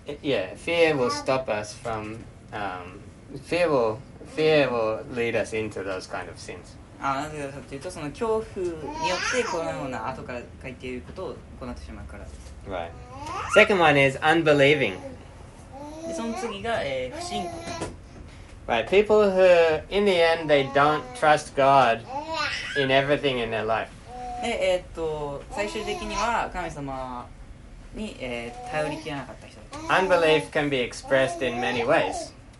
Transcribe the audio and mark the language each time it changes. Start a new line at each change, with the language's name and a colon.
English: Fear will stop us from fear will lead us into those kind of sins.
Japanese: なぜかというと、その恐怖によってこのような後から書いていることを行ってしまうからです。
English: Right. Second one is unbelieving.
Japanese: で、その次が、不信仰。
English: Right. People who in the end they don't trust God in everything in their life.
Japanese: で、最終的には神様に、頼りきれなかった人。
English: Unbelief can be expressed in many ways.